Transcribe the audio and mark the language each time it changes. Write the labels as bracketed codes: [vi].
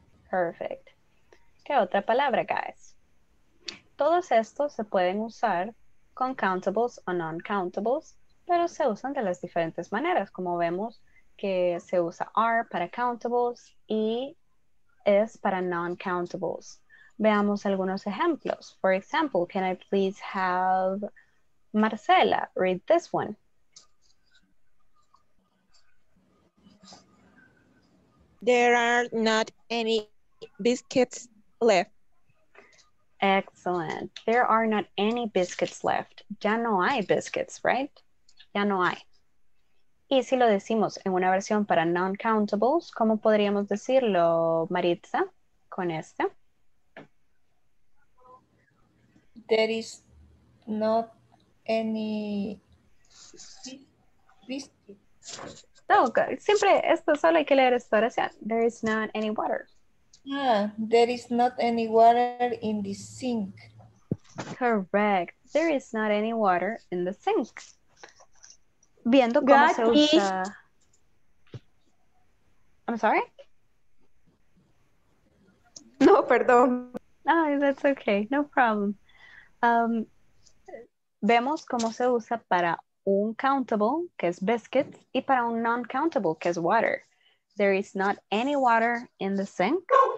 [en] Perfect. [es] ¿Qué otra palabra, guys? Todos estos se pueden usar con countables o non-countables, pero se usan de las diferentes maneras, como vemos que se usa are para countables y is para non-countables. Veamos algunos ejemplos. [en] For example, can I please have Marcela read this one? There are not any biscuits left. Excellent. There are not any biscuits left. [es] Ya no hay biscuits, [en] right? [es] Ya no hay. Y si lo decimos en una versión para non-countables, ¿cómo podríamos decirlo, Maritza, con esta? [en] There is not any biscuit. [es] No, siempre esto solo hay que leer esta oración. [en] There is not any water. Ah, there is not any water in the sink. Correct. There is not any water in the sink. [es] Viendo cómo se usa. [en] I'm sorry? [es] No, perdón. [en] Oh, that's okay. No problem. [es] Vemos cómo se usa para un countable, que es biscuits, y para un non-countable, que es water. [en] There is not any water in the sink.